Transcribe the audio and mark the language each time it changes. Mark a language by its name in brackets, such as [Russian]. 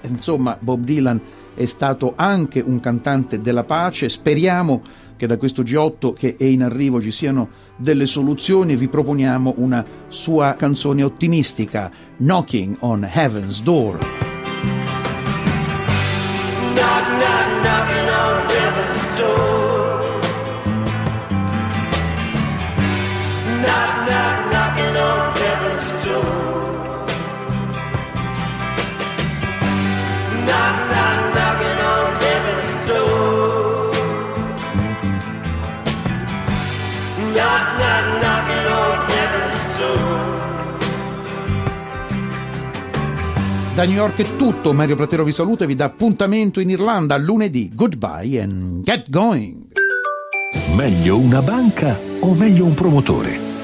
[Italian] Insomma, Bob Dylan è stato anche un cantante della pace. Speriamo che da questo G8 che è in arrivo ci siano delle soluzioni. Vi proponiamo una sua canzone ottimistica, Knocking on Heaven's Door. [English] Knock, knock, knocking on heaven's door. Knock, knock, knocking on heaven's door. Knock, knock, knocking on heaven's door. Knock, knock, knocking on heaven's door. [Italian] Da New York è tutto, Mario Platero vi saluta e vi dà appuntamento in Irlanda lunedì. [English] Goodbye and get going. [Italian] Meglio una banca o meglio un promotore?